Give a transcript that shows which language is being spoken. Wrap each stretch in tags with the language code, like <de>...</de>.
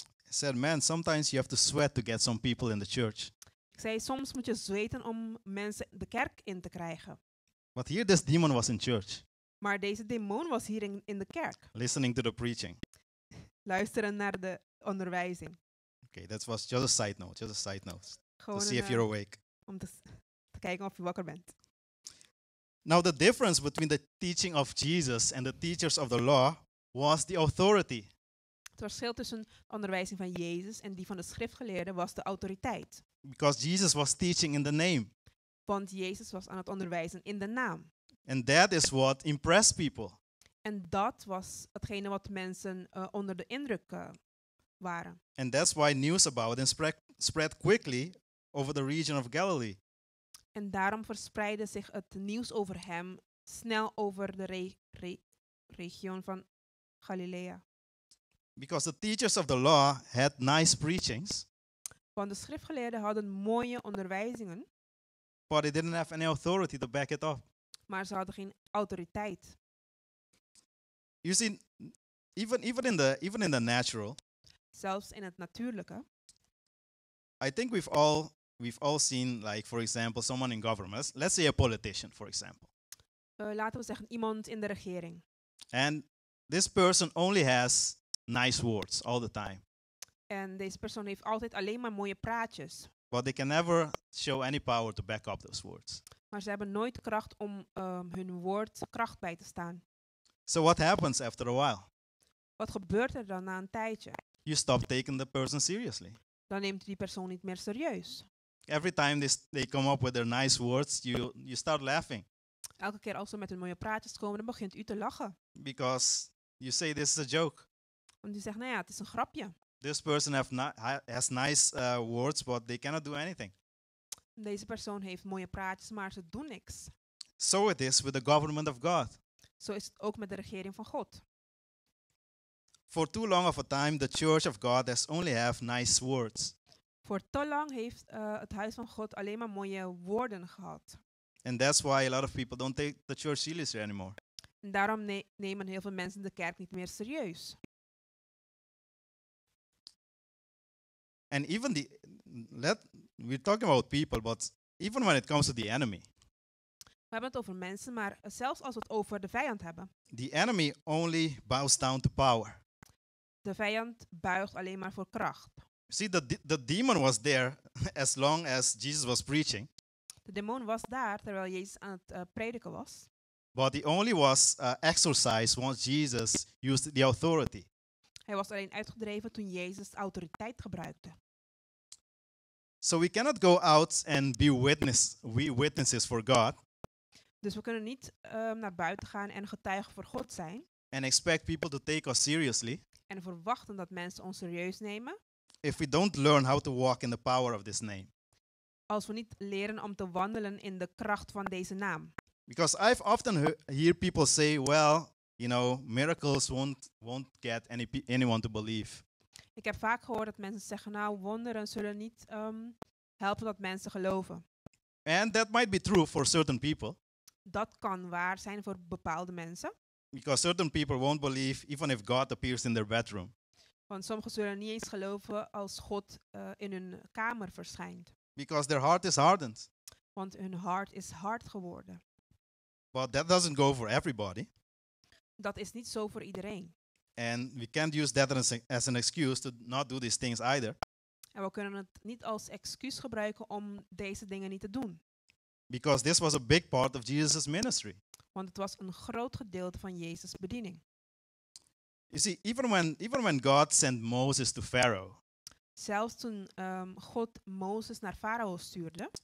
<en>I said, man, sometimes you have to sweat to get some people in the church.</en> <nl>Ik zei, soms moet je zweten om mensen de kerk in te krijgen.</nl> <en>But here this demon was in church.</en> <nl>Maar deze demon was hier in de kerk.</nl> <en>Listening to the preaching.</en> <nl>Luisteren naar de onderwijzing.</nl> <en>Okay, that was just a side note. Just a side note.</en> <nl>Gewoon</nl> <en>to see if you're awake.</en> <nl>Om te kijken of je wakker bent.</nl> <en>Now the difference between the teaching of Jesus and the teachers of the law was the authority.</en> <nl>Het verschil tussen de onderwijzing van Jezus en die van de schriftgeleerden was de autoriteit.</nl> <en>Because Jesus was teaching in the name.</en> <nl>Want Jezus was aan het onderwijzen in de naam.</nl> <en>And that is what impressed people.</en> <nl>En dat was hetgene wat mensen onder de indruk waren.</nl> <en>And that's why news about it spread quickly over the region of Galilee.</en> <nl>En daarom verspreidde zich het nieuws over hem snel over de regio van Galilea.</nl> <en>Because the teachers of the law had nice preachings.</en> <nl>Want de schriftgeleerden hadden mooie onderwijzingen.</nl> <en>But they didn't have any authority to back it up.</en> <nl>Maar ze hadden geen autoriteit.</nl> <en>You see, even in the natural.</en> <nl>Zelfs in het natuurlijke.</nl> <en>I think we've all seen, like, for example, someone in government. Let's say a politician, for example.</en> <nl>Laten we zeggen iemand in de regering.</nl> <en>And this person only has nice words all the time.</en> <nl>En deze persoon heeft altijd alleen maar mooie praatjes.</nl> <en>But they can never show any power to back up those words.</en> <nl>Maar ze hebben nooit kracht om hun woord kracht bij te staan.</nl> <en>So what happens after a while?</en> <nl>Wat gebeurt er dan na een tijdje?</nl> <en>You stop taking the person seriously.</en> <nl>Dan neemt die persoon niet meer serieus.</nl> <en>Every time they come up with their nice words, you start laughing.</en> <nl>Elke keer als ze met hun mooie praatjes komen, dan begint u te lachen.</nl> <en>Because you say this is a joke.</en> <nl>Want u zegt, nou ja, het is een grapje.</nl> <en>This person has nice words, but they cannot do anything.</en> <nl>Deze persoon heeft mooie praatjes, maar ze doen niks.</nl> <en>So it is with the government of God.</en> <nl>Zo is het ook met de regering van God.</nl> <en>For too long of a time, the church of God has only have nice words.</en> <nl>Voor te lang heeft het huis van God alleen maar mooie woorden gehad.</nl> <en>And that's why a lot of people don't take the church seriously anymore.</en> <nl>En daarom nemen heel veel mensen de kerk niet meer serieus.</nl> <en>And even we're talking about people, but even when it comes to the enemy.</en> <nl>We hebben het over mensen, maar zelfs als we het over de vijand hebben.</nl> <en>The enemy only bows down to power.</en> <nl>De vijand buigt alleen maar voor kracht.</nl> <en>See, the demon was there as long as Jesus was preaching.</en> <nl>De demon was daar terwijl Jezus aan het prediken was.</nl> <en>But he only was exorcised once Jesus used the authority.</en> <nl>Hij was alleen uitgedreven toen Jezus autoriteit gebruikte.</nl> <en>So we cannot go out and be witnesses for God.</en> <nl>Dus we kunnen niet naar buiten gaan en getuigen voor God zijn.</nl> <en>And expect people to take us seriously.</en> <nl>En verwachten dat mensen ons serieus nemen.</nl> <en>If we don't learn how to walk in the power of this name.</en> <nl>Als we niet leren om te wandelen in de kracht van deze naam.</nl> <en>Because I've often hear people say, well, you know, miracles won't get anyone to believe.</en> <nl>Ik heb vaak gehoord dat mensen zeggen, nou, wonderen zullen niet helpen dat mensen geloven.</nl> <en>And that might be true for certain people.</en> <nl>Dat kan waar zijn voor bepaalde mensen.</nl> <en>Because certain people won't believe even if God appears in their bedroom.</en> <nl>Want sommigen zullen niet eens geloven als God in hun kamer verschijnt.</nl> <en>Because their heart is hardened.</en> <nl>Want hun hart is hard geworden.</nl> <en>But that doesn't go for everybody.</en> <nl>Dat is niet zo voor iedereen.</nl> <en>And we can't use that as an excuse to not do these things either.</en> <nl>En we kunnen het niet als excuus gebruiken om deze dingen niet te doen.</nl> <en>Because this was a big part of Jesus' ministry.</en> <nl>Want het was een groot gedeelte van Jezus' bediening.</nl> <en>You see, even when God sent Moses to Pharaoh.</en> <nl>Zelfs toen God Mozes naar Farao stuurde.</nl>